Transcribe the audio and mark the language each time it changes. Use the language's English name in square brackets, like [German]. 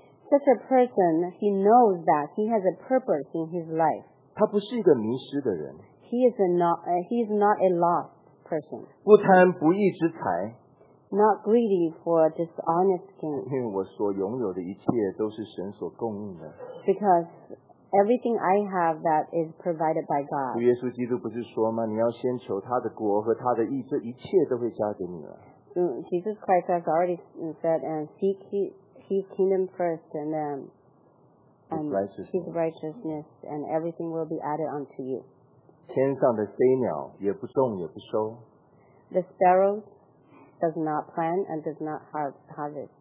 [English] Such a person, he knows that he has a purpose in his life. [Chinese] 他不是一个迷失的人。 [English] He is not a lost person. [Chinese] 不贪不义之财。 [English] Not greedy for dishonest gain. [Chinese] 因为我所拥有的一切都是神所供应的。 [English] Because everything I have that is provided by God. [Chinese] 主耶稣基督不是说吗？你要先求他的国和他的义，这一切都会加给你了。 [English] Jesus Christ has already said, and seek His kingdom first, and then His righteousness, and everything will be added unto you. [Chinese] 天上的飞鸟也不种也不收。 [English] The sparrows does not plant and does not harvest.